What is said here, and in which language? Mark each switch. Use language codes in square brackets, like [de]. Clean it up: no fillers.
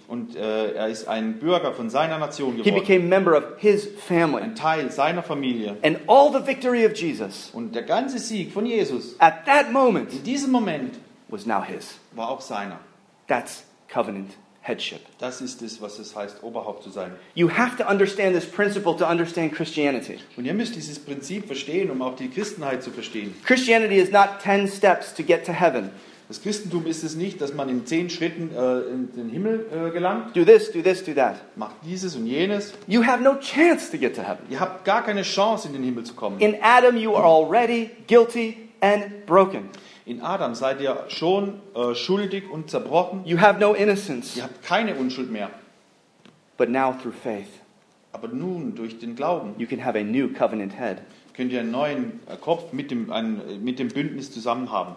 [de] Und er ist ein Bürger von seiner Nation geworden. [en] He became member of his family. [de] Ein Teil seiner Familie. [en] And all the victory of Jesus. [de] Und der ganze Sieg von Jesus. [en] At that moment. [de] In diesem Moment. [en] Was now his. [de] War auch seiner. [en] That's covenant headship. [de] Das ist das, was es heißt, Oberhaupt zu sein. [en] You have to understand this principle to understand Christianity. [de] Und ihr müsst dieses Prinzip verstehen, um auch die Christenheit zu verstehen. [en] Christianity is not 10 steps to get to heaven. [de] Das Christentum ist es nicht, dass man in 10 Schritten in den Himmel gelangt. [en] Do this, do this, do that. [de] Macht dieses und jenes. [en] You have no chance to get to heaven. [de] Ihr habt gar keine Chance, in den Himmel zu kommen. [en] In Adam you are already guilty and broken. [de] In Adam seid ihr schon schuldig und zerbrochen. [en] You have no innocence. [de] Ihr habt keine Unschuld mehr. [en] But now through faith. [de] Aber nun durch den Glauben. [en] You can have a new covenant head. [de] Könnt ihr einen neuen Kopf mit dem Bündnis zusammen haben.